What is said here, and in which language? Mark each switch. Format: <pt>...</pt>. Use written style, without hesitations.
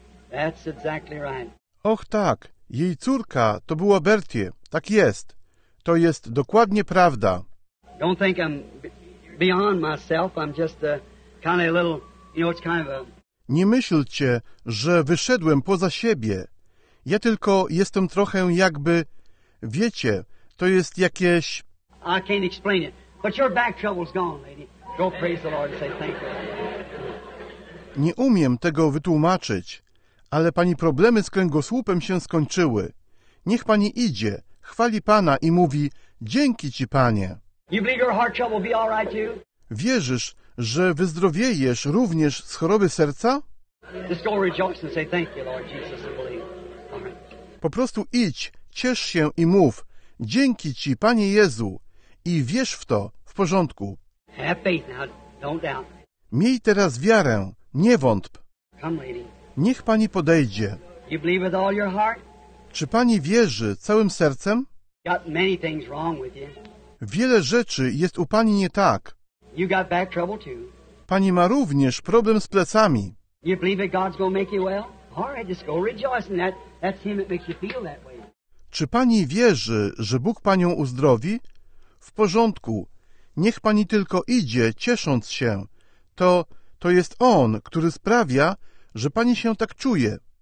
<en>That's exactly right.</en> <pl>Och tak, jej córka to była Bertie, tak jest. To jest dokładnie prawda.</pl> <en>Don't think I'm beyond myself, I'm just a kind of a little, you know, it's kind of a...</en> <pl>Nie myślcie, że wyszedłem poza siebie. Ja tylko jestem trochę jakby... Wiecie, to jest jakieś...</pl> <en>I can't explain it, but your back trouble's gone, lady. Go praise the Lord and say thank you.</en> <pl>Nie umiem tego wytłumaczyć, ale pani problemy z kręgosłupem się skończyły. Niech pani idzie, chwali pana i mówi, dzięki ci, panie.</pl> <en>You believe your heart trouble will be all right too?</en> <pl>Wierzysz, że wyzdrowiejesz również z choroby serca?</pl> <en>Just go rejoice and say thank you, Lord Jesus, and believe.</en> <pl>Po prostu idź, ciesz się i mów, dzięki ci, Panie Jezu, i wierz w to, w porządku.</pl> <en>Have faith now, don't doubt.</en> <pl>Miej teraz wiarę, nie wątp.</pl> <en>Come, lady.</en> <pl>Niech pani podejdzie.</pl> <en>You believe with all your heart?</en> <pl>Czy pani wierzy całym sercem?</pl> <en>Got many things wrong with you.</en> <pl>Wiele rzeczy jest u pani nie tak.</pl> <en>You got back trouble too.</en> <pl>Pani ma również problem z plecami.</pl> <en>You believe that God's gonna make you well? All right, just go rejoicing that. That's him that makes you feel that way.</en> <pl>Czy pani wierzy, że Bóg panią uzdrowi? W porządku. Niech pani tylko idzie, ciesząc się. To jest on, który sprawia, że pani się tak czuje.</pl>